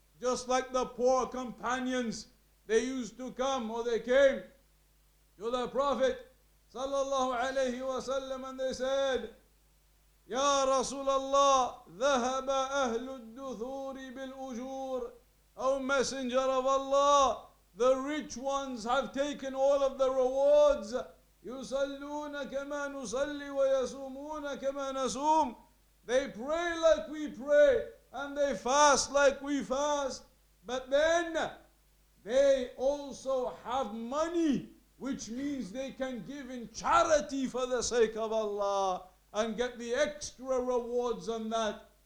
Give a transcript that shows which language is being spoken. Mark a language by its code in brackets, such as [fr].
[en] Just like the poor companions, they used to come, or they came to the Prophet sallallahu alayhi wa sallam, and they said, Ya Rasulullah, [ar] ذهب أهل الدثور بالأجور. [en] O Messenger of Allah, the rich ones have taken all of the rewards. [ar] يصلون كما نصلي ويصومون كما نصوم. [en] They pray like we pray, and they fast like we fast. But then, they also have money, which means they can give in charity for the sake of Allah and get the extra rewards on that.